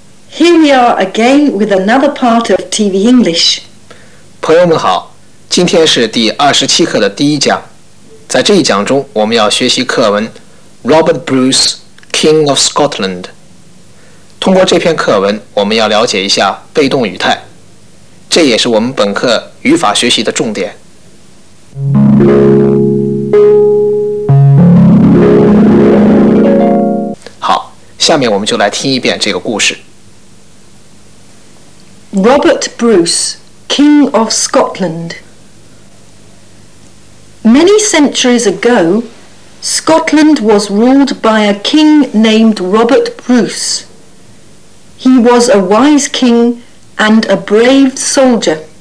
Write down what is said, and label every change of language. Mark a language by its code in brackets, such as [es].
[en] Here we are again with another part of TV English. [zh] 朋友们好，今天是第27课的第一讲。在这一讲中，我们要学习课文 Robert Bruce, King of Scotland. 通过这篇课文，我们要了解一下被动语态。这也是我们本课语法学习的重点。好，下面我们就来听一遍这个故事。 [en] Robert Bruce, King of Scotland. Many centuries ago, Scotland was ruled by a king named Robert Bruce. He was a wise king and a brave soldier.